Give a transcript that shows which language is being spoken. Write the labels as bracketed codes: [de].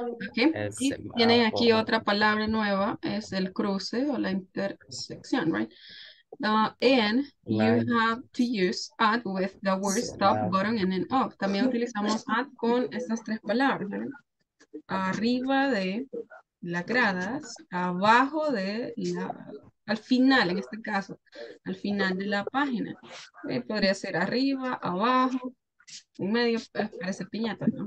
[es] Okay, tienen aquí otra palabra nueva, es el cruce o la intersección, right? [en] And you have to use at with the word stop, bottom, and then off. [es] También utilizamos at con estas tres palabras, right? Arriba de las gradas, abajo de la... Al final, en este caso, al final de la página. Okay, podría ser arriba, abajo... En medio parece piñata, ¿no?